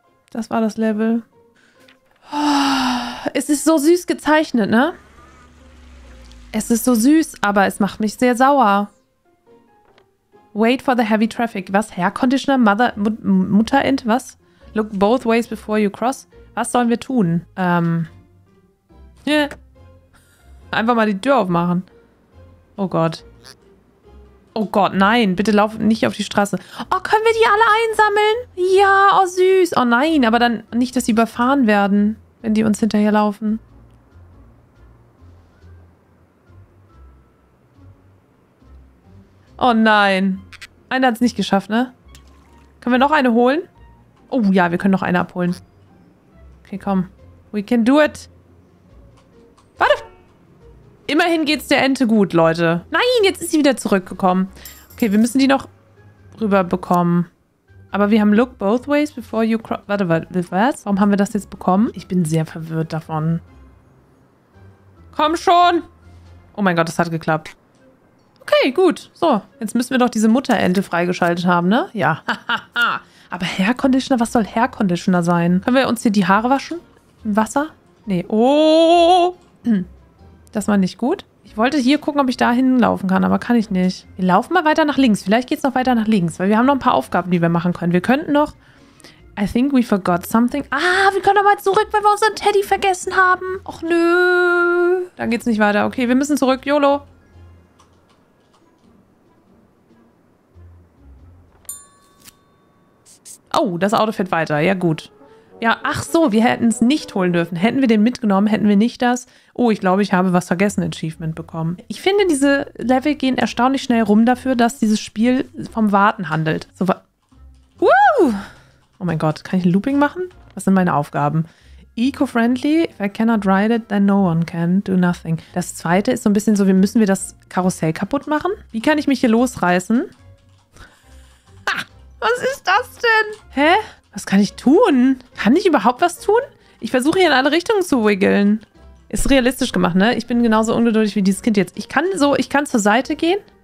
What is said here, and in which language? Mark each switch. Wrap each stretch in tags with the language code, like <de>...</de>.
<de>Das war das Level. Es ist so süß gezeichnet, ne? Es ist so süß, aber es macht mich sehr sauer.</de> <en>Wait for the heavy traffic.</en> <de>Was? Hair Conditioner? Mother? Mutter Ent? Was?</de> <en>Look both ways before you cross.</en> <de>Was sollen wir tun? Einfach mal die Tür aufmachen. Oh Gott. Oh Gott, nein. Bitte lauf nicht auf die Straße. Oh, können wir die alle einsammeln? Ja, oh süß. Oh nein, aber dann nicht, dass sie überfahren werden, wenn die uns hinterherlaufen. Oh nein. Einer hat es nicht geschafft, ne? Können wir noch eine holen? Oh ja, wir können noch eine abholen. Okay, komm.</de> <en>We can do it.</en> <de>Warte. Immerhin geht's der Ente gut, Leute. Nein, jetzt ist sie wieder zurückgekommen. Okay, wir müssen die noch rüberbekommen. Aber wir haben</de> <en>look both ways before you cross.</en> <de>Warte, was? Warum haben wir das jetzt bekommen? Ich bin sehr verwirrt davon. Komm schon. Oh mein Gott, das hat geklappt. Okay, gut. So, jetzt müssen wir doch diese Mutterente freigeschaltet haben, ne? Ja. Aber Hair Conditioner, was soll Hair Conditioner sein? Können wir uns hier die Haare waschen? Im Wasser? Nee. Oh. Das war nicht gut. Ich wollte hier gucken, ob ich da hinlaufen kann, aber kann ich nicht. Wir laufen mal weiter nach links. Vielleicht geht es noch weiter nach links, weil wir haben noch ein paar Aufgaben, die wir machen können. Wir könnten noch...</de> <en>I think we forgot something.</en> <de>Ah, wir können nochmal zurück, weil wir unseren Teddy vergessen haben. Och, nö. Dann geht es nicht weiter. Okay, wir müssen zurück. YOLO. Oh, das Auto fährt weiter. Ja, gut. Ja, ach so, wir hätten es nicht holen dürfen. Hätten wir den mitgenommen, hätten wir nicht das. Oh, ich glaube, ich habe was vergessen, Achievement bekommen. Ich finde, diese Level gehen erstaunlich schnell rum dafür, dass dieses Spiel vom Warten handelt. So, oh mein Gott, kann ich ein Looping machen? Was sind meine Aufgaben?</de> <en>Eco-friendly, if I cannot ride it, then no one can do nothing.</en> <de>Das zweite ist so ein bisschen so, müssen wir das Karussell kaputt machen? Wie kann ich mich hier losreißen? Ach, was ist das denn? Hä? Was kann ich tun? Kann ich überhaupt was tun? Ich versuche hier in alle Richtungen zu wiggeln. Ist realistisch gemacht, ne? Ich bin genauso ungeduldig wie dieses Kind jetzt. Ich kann zur Seite gehen.</de>